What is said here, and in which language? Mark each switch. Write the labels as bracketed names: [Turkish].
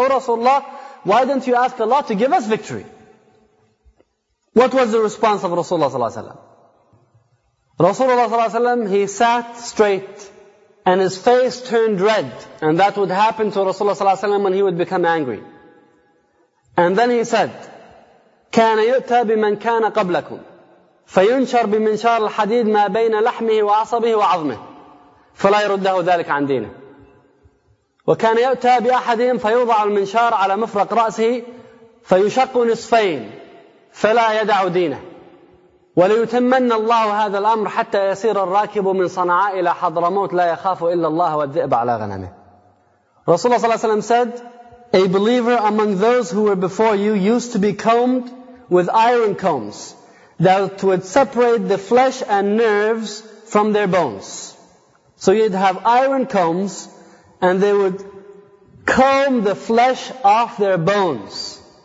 [English] Oh Rasulullah, why didn't you ask Allah to give us victory? What was the response of Rasulullah sallallahu alaihi wasallam? Rasulullah sallallahu alaihi wasallam, he sat straight and his face turned red. And that would happen to Rasulullah sallallahu alaihi wasallam when he would become angry. And then he said, [Arabic] كان يؤتى بمن كان قبلكم فينشر بمنشار الحديد ما بين لحمه وعصبه وعظمه فلا يرده ذلك عن دينه وكان يؤتى بأحدهم فيوضع المنشار على مفرق رأسه فيشق نصفين فلا يدع دينه وليتمن الله هذا الأمر حتى يصير الراكب من صنعاء إلى حضرموت لا يخاف إلا الله والذئب على غنمه. رسول الله صلى الله عليه وسلم [English] said, a believer among those who were before you used to be combed with iron combs that would separate the flesh and nerves from their bones. So you'd have iron combs and they would comb the flesh off their bones.